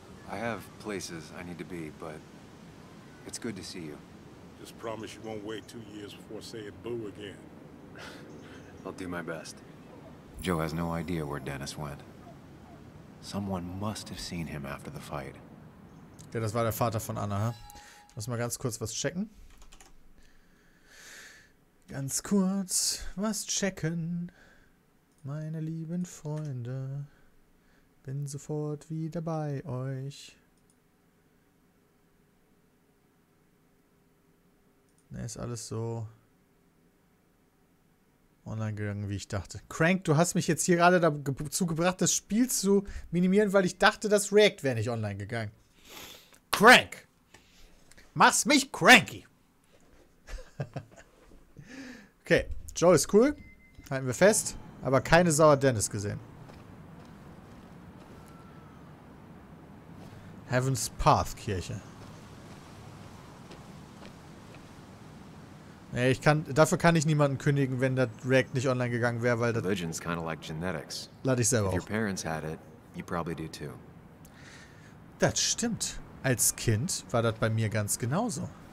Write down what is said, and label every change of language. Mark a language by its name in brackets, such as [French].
[English] I have places I need to be, but it's good to see you. Just promise you won't wait 2 years before saying boo again. I'll do my best. Joe has no idea where Dennis went. Someone must have seen him after the fight. [German] Ja, das war der Vater von Anna, ha? Lass mal ganz kurz was checken. Ganz kurz was checken, meine lieben Freunde. Bin sofort wieder bei euch. Ne, ist alles so online gegangen, wie ich dachte. Crank, du hast mich jetzt hier gerade dazu gebracht, das Spiel zu minimieren, weil ich dachte, das React wäre nicht online gegangen. Crank! Mach's mich cranky! Okay, Joe ist cool. Halten wir fest. Aber keine Sau hat Dennis gesehen. Heaven's Path Kirche. Nee, ich kann. Dafür kann ich niemanden kündigen, wenn das React nicht online gegangen wäre, weil das. [English] Religion's kind of like genetics. [German] Lade ich selber auf. [English] If your parents had it, you probably do too. [German] Das stimmt. Als Kind war das bei mir ganz genauso.